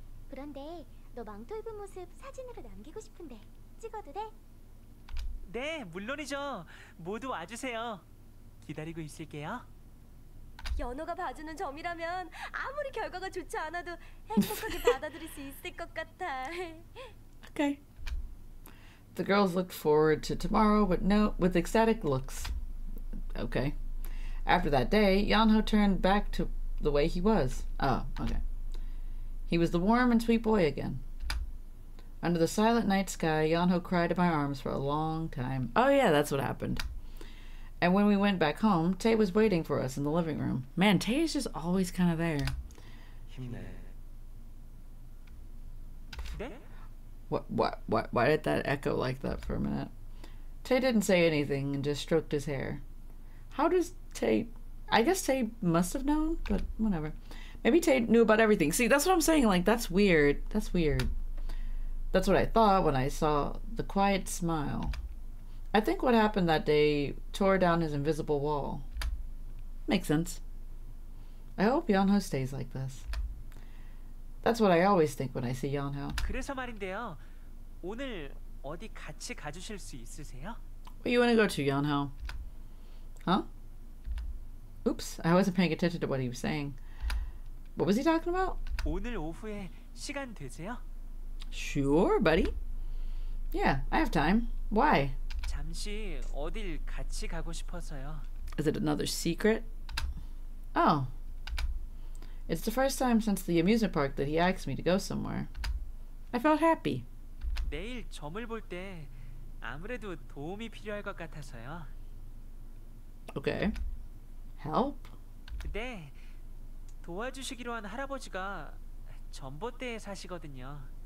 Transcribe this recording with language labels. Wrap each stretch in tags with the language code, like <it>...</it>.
<ko>그런데 너 망토 입은 모습 사진으로 남기고 싶은데 찍어도 돼? 네, 물론이죠. 모두 와주세요. 기다리고 있을게요. 연호가 봐주는 점이라면 아무리 결과가 좋지 않아도 행복하게 받아들일 수 있을 것 같아.</ko> <en>Okay. The girls looked forward to tomorrow but no, with ecstatic looks. Okay. After that day, Yeonho turned back to the way he was. Oh, okay. He was the warm and sweet boy again. Under the silent night sky, Yeonho cried in my arms for a long time. Oh yeah, that's what happened. And when we went back home, Tae was waiting for us in the living room. Man, Tae is just always kind of there.</en> <ko>힘내. 네?</ko> <en>What? Why did that echo like that for a minute? Tae didn't say anything and just stroked his hair. How does Tae... I guess Tae must have known, but whatever. Maybe Tae knew about everything. See, that's what I'm saying. Like, that's weird. That's weird. That's what I thought when I saw the quiet smile. I think what happened that day tore down his invisible wall. Makes sense. I hope Yeonho stays like this. That's what I always think when I see Yeonho.</en> <ko>그래서 말인데요, 오늘 어디 같이 가주실 수 있으세요?</ko> <en>Where you wanna go to, Yeonho? Huh? Oops, I wasn't paying attention to what he was saying. What was he talking about?</en> <ko>오늘 오후에 시간 되세요?</ko> <en>Sure, buddy. Yeah, I have time. Why?</en> <ko>잠시 어딜 같이 가고 싶어서요.</ko> <en>Is it another secret? Oh. It's the first time since the amusement park that he asked me to go somewhere. I felt happy.</en> <ko>내일 점을 볼 때 아무래도 도움이 필요할 것 같아서요.</ko> <en>Okay. Help?</en> <ko>네. 도와주시기로 한 할아버지가 전봇대에 사시거든요.</ko>